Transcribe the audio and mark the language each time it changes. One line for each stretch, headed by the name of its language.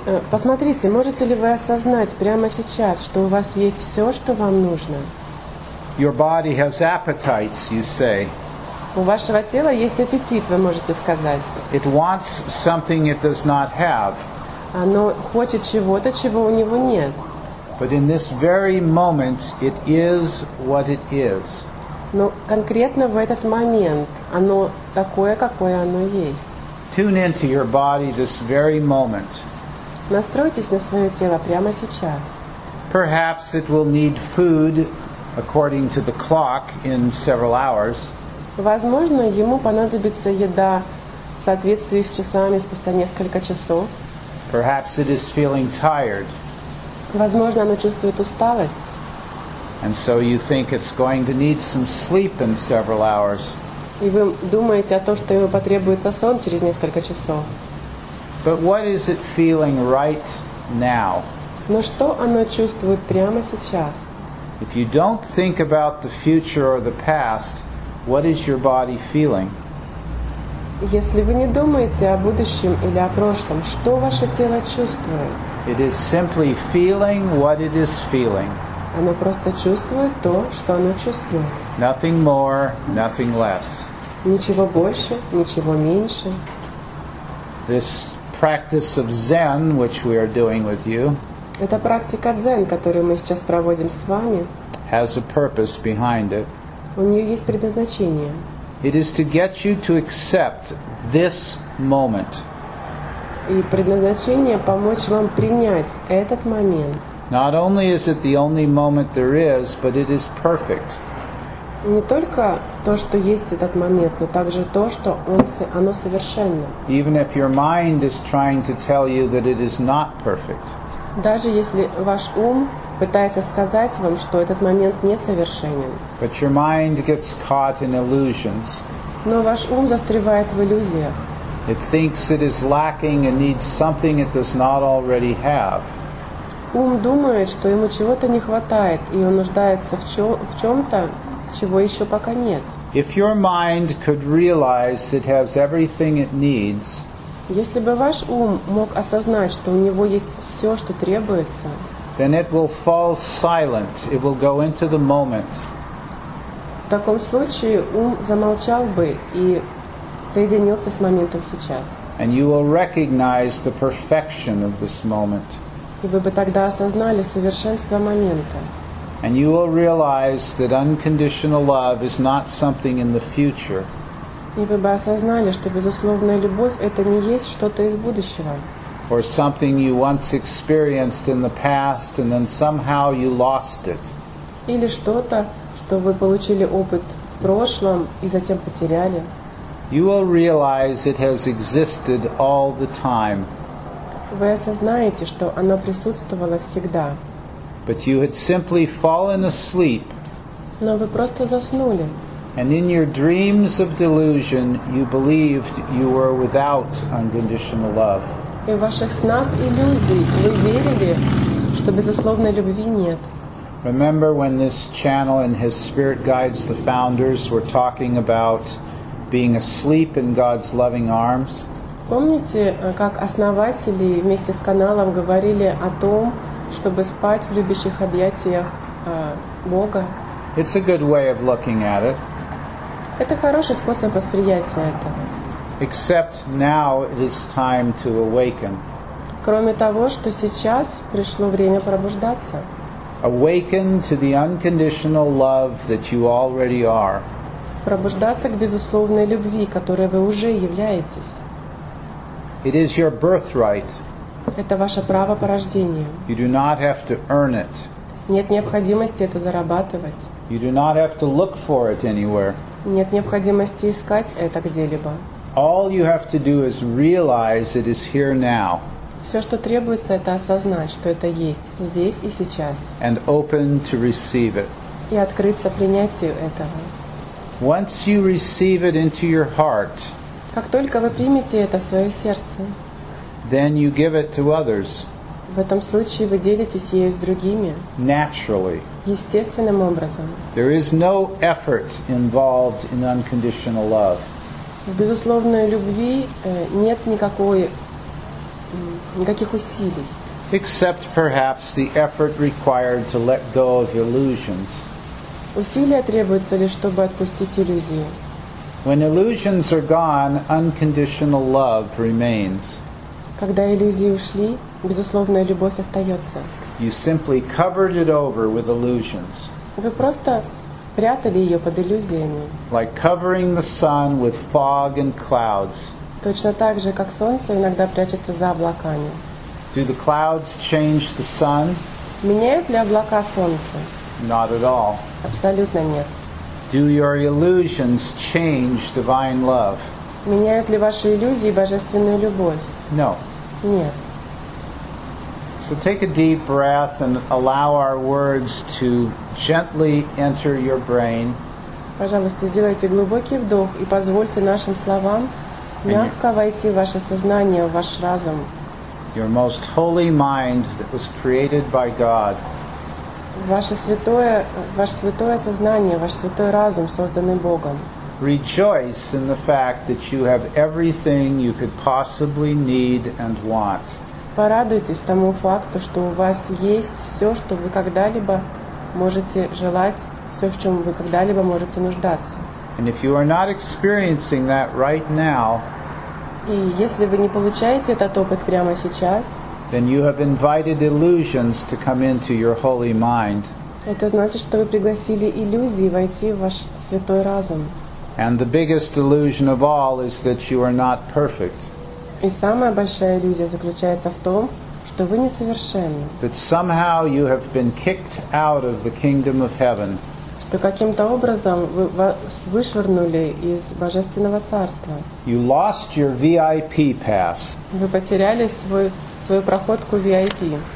Russian: Посмотрите, можете ли вы осознать прямо сейчас, что у вас есть все, что вам нужно?
English: Your body has appetites, you say.
Russian: У вашего тела есть аппетит, вы можете сказать.
English: It wants something it does not have.
Russian: Оно хочет чего-то, чего у него нет.
English: But in this very moment, it is what it is.
Russian: Но конкретно в этот момент оно такое, какое оно есть.
English: Tune into your body this very moment.
Russian: Настройтесь на свое тело прямо сейчас.
English: Perhaps it will need food according to the clock in several hours.
Russian: Возможно, ему понадобится еда в соответствии с часами спустя несколько часов.
English: Perhaps it is feeling tired.
Russian: Возможно, оно чувствует усталость.
English: And so you think it's going to need some sleep in several hours.
Russian: И вы думаете о том, что ему потребуется сон через несколько часов.
English: But what is it feeling right now?
Russian: Но что оно чувствует прямо сейчас?
English: If you don't think about the future or the past, what is your body feeling?
Russian: Если вы не думаете о будущем или о прошлом, что ваше тело чувствует?
English: It is simply feeling what it is feeling.
Russian: Оно просто чувствует то, что оно чувствует.
English: Nothing more, nothing less.
Russian: Ничего больше, ничего меньше.
English: This practice of Zen, which we are doing with you,
Russian: эта практика дзен, которую мы сейчас проводим с вами,
English: has a purpose behind it.
Russian: У нее есть предназначение.
English: It is to get you to accept this moment.
Russian: И предназначение помочь вам принять этот момент.
English: Not only is it the only moment there is, but it is perfect.
Russian: Не только то, что есть этот момент, но также то, что он, оно совершенно.
English: Even if your mind is trying to tell you that it is not perfect.
Russian: Даже если ваш ум пытается сказать вам, что этот момент несовершенен.
English: But your mind gets caught in illusions.
Russian: Но ваш ум застревает в иллюзиях.
English: It thinks it is lacking and needs something it does not already have.
Russian: Ум думает, что ему чего-то не хватает, и он нуждается в чем-то, чего еще пока нет.
English: If your mind could realize it has everything it needs,
Russian: если бы ваш ум мог осознать, что у него есть все, что требуется,
English: then it will fall silent, it will go into the moment.
Russian: В таком случае ум замолчал бы и соединился с моментом сейчас.
English: And you will recognize the perfection of this moment.
Russian: И вы бы тогда осознали совершенство момента.
English: And you will realize that unconditional love is not something in the future.
Russian: И вы бы осознали, что безусловная любовь — это не есть что-то из будущего.
English: Or something you once experienced in the past, and then somehow you lost it.
Russian: Или что-то, что вы получили опыт в прошлом и затем потеряли.
English: You will realize it has existed all the time.
Russian: Вы осознаете, что оно присутствовало всегда.
English: But you had simply fallen asleep.
Russian: Но вы просто заснули.
English: And in your dreams of delusion, you believed you were without unconditional love.
Russian: И в ваших снах иллюзий вы верили, что безусловной любви нет.
English: Remember when this channel and his spirit guides, the founders, were talking about being asleep in God's loving arms?
Russian: Помните, как основатели вместе с каналом говорили о том, чтобы спать в любящих объятиях Бога?
English: It's a good way of looking at it.
Russian: Это хороший способ восприятия этого.
English: Except now it is time to awaken.
Russian: Кроме того, что сейчас пришло время пробуждаться.
English: Awaken to the unconditional love that you already are.
Russian: Пробуждаться к безусловной любви, которой вы уже являетесь.
English: It is your birthright.
Russian: Это ваше право по рождению.
English: You do not have to earn it.
Russian: Нет необходимости это зарабатывать.
English: You do not have to look for it anywhere.
Russian: Нет необходимости искать это где-либо.
English: All you have to do is realize it is here now.
Russian: Все, что требуется, это осознать, что это есть здесь и сейчас.
English: And open to receive it.
Russian: И открыться принятию этого.
English: Once you receive it into your heart,
Russian: как только вы примете это в свое сердце,
English: then you give it to others.
Russian: В этом случае вы делитесь ею с другими.
English: Naturally.
Russian: Естественным образом.
English: There is no effort involved in unconditional love.
Russian: В безусловной любви нет никакой, никаких усилий.
English: Except perhaps the effort required to let go of illusions.
Russian: Усилия требуются лишь, чтобы отпустить иллюзии.
English: When illusions are gone, unconditional love remains.
Russian: Когда иллюзии ушли, безусловная любовь остается.
English: You simply covered it over with illusions.
Russian: Вы просто прятали ее под иллюзиями.
English: Like covering the sun with fog and clouds.
Russian: Точно так же, как солнце иногда прячется за облаками.
English: Do the clouds change the sun?
Russian: Меняют ли облака солнце?
English: Not at all.
Russian: Абсолютно нет.
English: Do your illusions change divine love?
Russian: Меняют ли ваши иллюзии божественную любовь?
English: No.
Russian: Нет.
English: So take a deep breath and allow our words to gently enter your brain.
Russian: Пожалуйста, сделайте глубокий вдох и позвольте нашим словам мягко войти в ваше сознание, в ваш разум.
English: Your most holy mind that was created by God.
Russian: Ваше святое сознание, ваш святой разум, созданный Богом.
English: Rejoice in the fact that you have everything you could possibly need and want.
Russian: Порадуйтесь тому факту, что у вас есть все, что вы когда-либо можете желать все, в чем вы когда-либо можете нуждаться.
English: And if you are not experiencing that right now,
Russian: и если вы не получаете этот опыт прямо сейчас,
English: then you have invited illusions to come into your holy mind.
Russian: Это значит, что вы пригласили иллюзии войти в ваш святой разум.
English: And the biggest illusion of all is that you are not perfect.
Russian: И самая большая иллюзия заключается в том, что вы несовершенны.
English: That somehow you have been kicked out of the kingdom of heaven.
Russian: Что каким-то образом вы вас вышвырнули из Божественного Царства.
English: You lost your VIP pass.
Russian: Вы потеряли свою проходку VIP.